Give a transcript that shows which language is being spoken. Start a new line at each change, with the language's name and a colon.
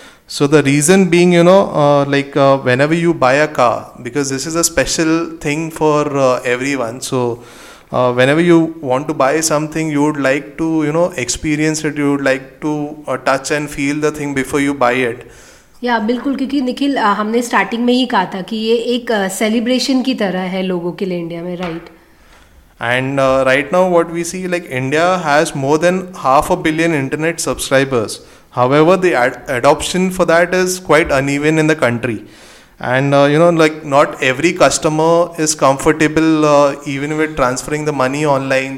English: So the reason being, you know, whenever you buy a car, because this is a special thing for everyone. So whenever you want to buy something, you would like to, you know, experience it. You would like to touch and feel the thing before you buy it.
Hindi: या बिल्कुल, क्योंकि निखिल हमने starting में ही कहा था कि ये एक सेलिब्रेशन की तरह है लोगों के लिए इंडिया में, right?
English: And right now what we see, like India has more than 500 million internet subscribers. However, the adoption for that is quite uneven in the country. And you know, like not every customer is comfortable even with transferring the money online.